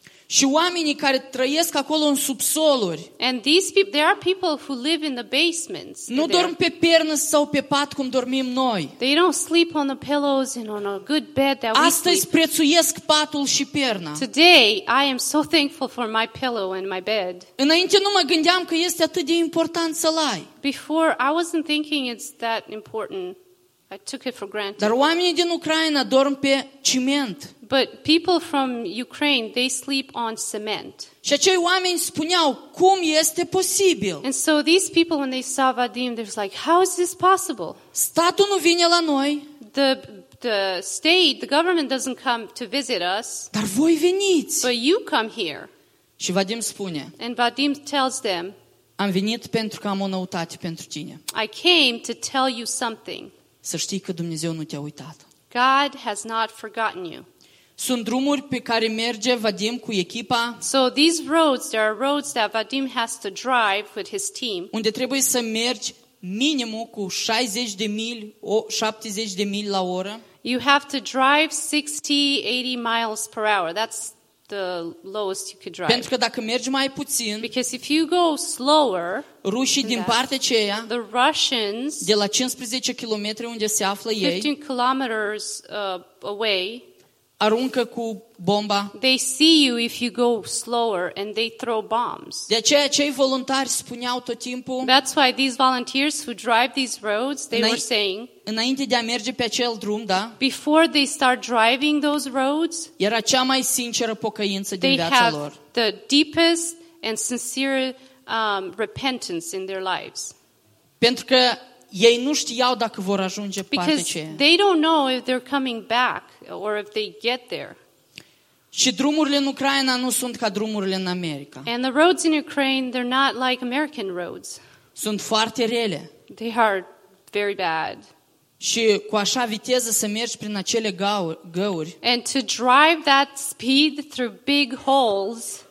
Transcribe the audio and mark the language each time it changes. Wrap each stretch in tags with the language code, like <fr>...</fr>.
<ro>Și oamenii care trăiesc acolo în subsoluri.</ro> <en>And these people, there are people who live in the basements.</en> <ro>Nu dorm pe pernă sau pe pat cum dormim noi.</ro> <en>They don't sleep on the pillows and on a good bed that we sleep.</en> <ro>Astăzi prețuiesc patul și perna.</ro> <en>Today I am so thankful for my pillow and my bed.</en> <ro>Înainte nu mă gândeam că este atât de important să-l ai.</ro> <en>Before I wasn't thinking it's that important. I took it for granted.</en> <ro>Dar oamenii din Ucraina dorm pe ciment.</ro> <en>But people from Ukraine, they sleep on cement.</en> <ro>Și acei oameni spuneau, cum este posibil?</ro> <en>And so these people, when they saw Vadim, they're like, how is this possible?</en> <ro>Statul nu vine la noi.</ro> <en>The state, the government doesn't come to visit us.</en> <ro>Dar voi veniți.</ro> <en>But you come here.</en> <ro>Și Vadim spune.</ro> <en>And Vadim tells them,</en> <ro>am venit pentru că am o noutate pentru tine.</ro> <en>I came to tell you something.</en> <ro>Să știi că Dumnezeu nu te-a uitat.</ro> <en>God has not forgotten you.</en> <ro>Sunt drumuri pe care merge Vadim cu echipa.</ro> <en>So these roads, there are roads that Vadim has to drive with his team.</en> <ro>Unde trebuie să mergi minimum cu 60 de mili, 70 de mili la oră.</ro> <en>You have to drive 60-80 miles per hour. That's the lowest you could drive.</en> <ro>Pentru că dacă mergi mai puțin,</ro> <en>because if you go slower,</en> <ro>rușii din partea aceea,</ro> <en>the Russians,</en> <ro>de la 15 kilometri unde se află ei,</ro> <en>15 kilometers away,</en> <ro>aruncă cu bomba.</ro> <en>They see you if you go slower and they throw bombs.</en> <ro>De aceea cei voluntari spuneau tot timpul.</ro> <en>That's why these volunteers who drive these roads, they were saying.</en> <ro>Înainte de a merge pe acel drum, da?</ro> <en>Before they start driving those roads.</en> <ro>Era cea mai sinceră pocăință din viața lor.</ro> <en>They have the deepest and sincere repentance in their lives.</en> <ro>Pentru că ei nu știau dacă vor ajunge pe partea aceea.</ro> <en>Because they don't know if they're coming back. Or if they get there.</en> <ro>Și drumurile în Ucraina nu sunt ca drumurile în America.</ro> <en>And the roads in Ukraine, they're not like American roads.</en> <ro>Sunt foarte rele.</ro> <en>They are very bad.</en> <ro>Și cu așa viteză să mergi prin acele găuri.</ro> <en>And to drive that speed through big holes.</en>